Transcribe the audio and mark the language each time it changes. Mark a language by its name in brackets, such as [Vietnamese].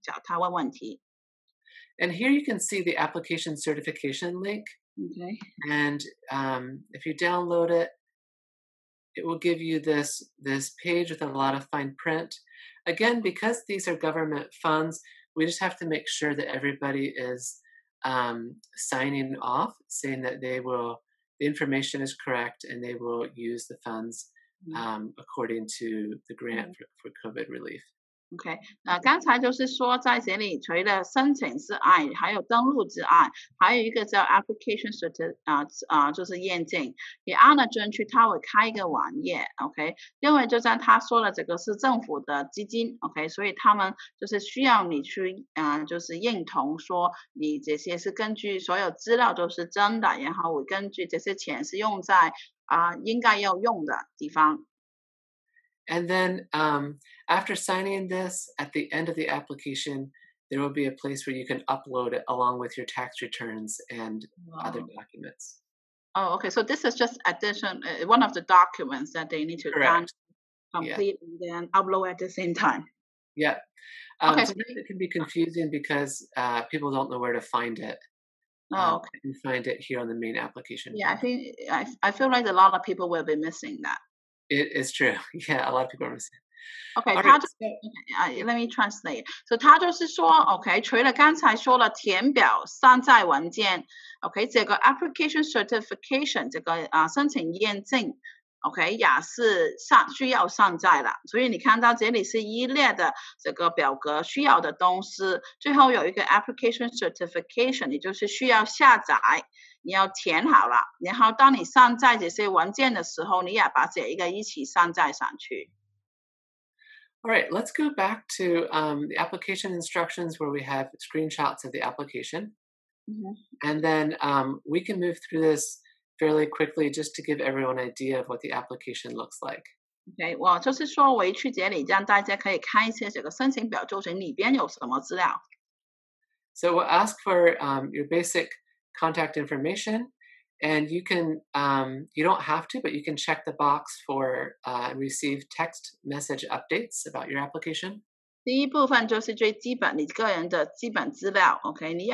[Chinese] 那到最后的话，也会给你的，他们他自己Brian他自己的直接email，你也可以找他问问题。 [English] And here you can see the application certification link. Okay. And if you download it, it will give you this page with a lot of fine print. Again, because these are government funds, we just have to make sure that everybody is signing off, saying that they will, the information is correct, and they will use the funds according to the grant for COVID relief. [Chinese] Okay, 刚才就是说在这里除了申请之外，还有登录之外，还有一个叫 application certificate，就是验证。你 按了进去，他会开一个网页，OK，因为就像他说了，这个是政府的基金，OK，所以他们就是需要你去，就是认同说你这些是根据所有资料都是真的，然后根据这些钱是用在应该要用的地方。 [English] And then after signing this, at the end of the application, there will be a place where you can upload it along with your tax returns and other documents. Oh, okay. So this is just addition, one of the documents that they need to complete and then upload at the same time. Yeah. Okay. Sometimes it can be confusing because people don't know where to find it. Okay. You can find it here on the main application. Yeah, I feel like a lot of people will be missing that. It is true. Yeah, a lot of people are missing. Okay, let me translate. [Chinese] So 他就是说, okay, 除了刚才说了填表上载文件, okay, 这个 application certification, 这个, 申请验证, okay, 也是需要上载了, 所以你看到这里是一列的这个表格需要的东西, 最后有一个 application certification, 也就是需要下载, 你要填好了，然后当你上载这些文件的时候，你也把这一个一起上载上去。 [English] All right, let's go back to the application instructions where we have screenshots of the application. Mm-hmm. And then we can move through this fairly quickly just to give everyone an idea of what the application looks like. [Chinese] Okay, 我就是说回去这里，让大家可以看一些这个申请表，就是里边有什么资料。 [English] So we'll ask for your basic contact information, and you can you don't have to, but you can check the box for receive text message updates about your application. [Chinese] 第一部分就是最基本你个人的基本资料, okay?